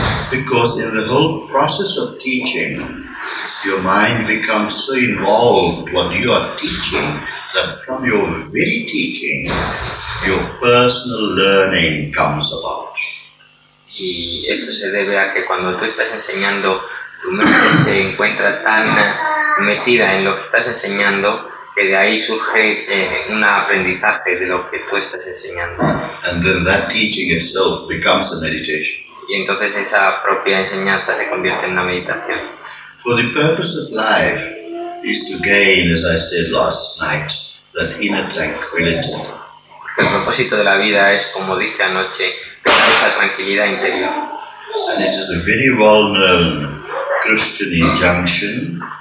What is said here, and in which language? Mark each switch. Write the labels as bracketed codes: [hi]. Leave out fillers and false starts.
[en] Because in the whole process of teaching, your mind becomes so involved in what you are teaching that from your very teaching, your personal learning comes about. [es] Y esto se debe a que cuando tú estás enseñando, tu mente se encuentra tan metida en lo que estás enseñando que de ahí surge un aprendizaje de lo que tú estás enseñando. [en] And then that teaching itself becomes a meditation. [es] Y entonces esa propia enseñanza se convierte en una meditación. [en] For the purpose of life is to gain, as I said last night, that inner tranquility. [es] El propósito de la vida es, como dije anoche, tener esa tranquilidad interior. [en] And it is a very well known Christian injunction.